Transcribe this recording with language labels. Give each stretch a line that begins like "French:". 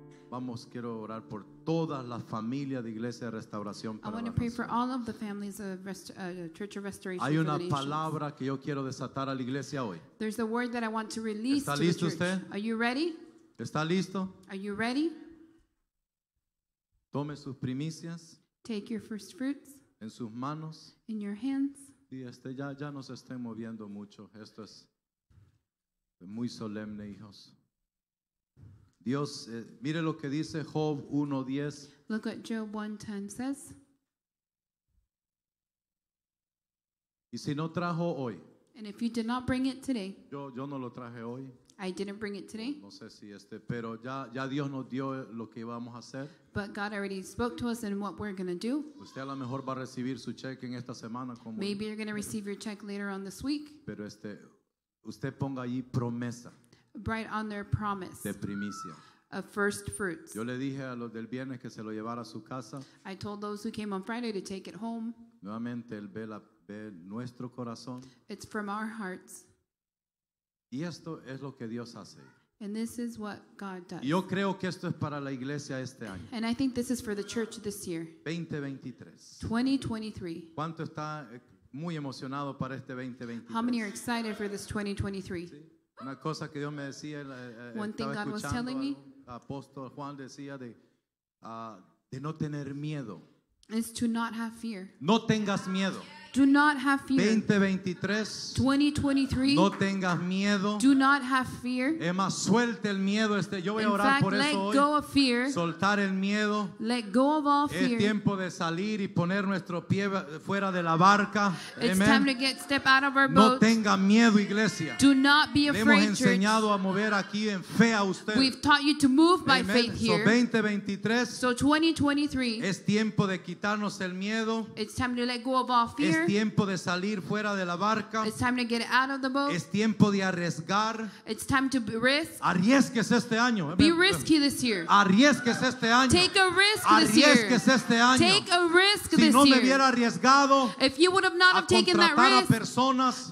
Spanish: Vamos, quiero orar por todas las familias de Iglesia de Restauración.
English: I want to pray for all of the families of Church of Restoration.
Spanish: Hay una palabra que yo quiero desatar a la iglesia hoy.
English: There's a word that I want to release to the church.
Spanish: ¿Está listo usted?
English: Are you ready?
Spanish: ¿Está listo?
English: Are you ready?
Spanish: Tome sus primicias.
English: Take your first fruits.
Spanish: En sus manos.
English: In your hands.
Spanish: Sí, ya nos estén moviendo mucho. Esto es muy solemne, hijos. Dios, mire lo que dice Job 1:10.
English: Look what Job 1:10 says.
Spanish: Y si no trajo hoy.
English: And if you did not bring it today.
Spanish: Yo no lo traje hoy.
English: I didn't bring it today.
Spanish: No sé si pero ya Dios nos dio lo que íbamos a hacer.
English: But God already spoke to us and what we're going to do.
Spanish: Usted a lo mejor va a recibir su cheque en esta semana como
English: maybe you're going to receive your check later on this week.
Spanish: Pero usted ponga allí promesa.
English: Write on their promise.
Spanish: De primicia.
English: Of first fruits.
Spanish: Yo le dije a los del viernes que se lo llevara a su casa.
English: I told those who came on Friday to take it home.
Spanish: Nuevamente él ve nuestro corazón.
English: It's from our hearts.
Spanish: Y esto es lo que Dios hace.
English: And this is what God does.
Spanish: Yo creo que esto es para la iglesia este año.
English: And I think this is for the church this year.
Spanish: 2023. ¿Cuánto está muy emocionado para este 2023?
English: How many are excited for this 2023?
Spanish: Sí. Una cosa que Dios me decía,
English: one
Spanish: estaba
English: thing God was telling me.
Spanish: Apóstol Juan decía de no tener miedo.
English: Is to not have fear.
Spanish: No tengas miedo.
English: Do not have fear.
Spanish: 2023. No tengas miedo.
English: Do not have fear.
Spanish: Es más, suelte el miedo. Yo voy a orar por eso hoy.
English: Let go of fear.
Spanish: Soltar el miedo.
English: Let go of all fear.
Spanish: Es tiempo de salir y poner nuestro pie fuera de la barca.
English: It's time to get step out of our boat.
Spanish: No tenga miedo, iglesia.
English: Do not be afraid, church.
Spanish: Hemos enseñado a mover aquí en fe a usted.
English: We've taught you to move by faith here. So 2023. So 2023.
Spanish: Es tiempo de quitarnos el miedo.
English: It's time to let go of all fear.
Spanish: Es tiempo de salir fuera de la barca.
English: It's time to get out of the boat.
Spanish: Es tiempo de arriesgar.
English: It's time to risk.
Spanish: Arriesques este año.
English: Be risky this year.
Spanish: Arriesques este año.
English: Take a risk this year.
Spanish: Arriesques este año.
English: Take a risk this year.
Spanish: Si no me hubiera arriesgado,
English: if you would have not have taken that risk,
Spanish: a contratar a personas,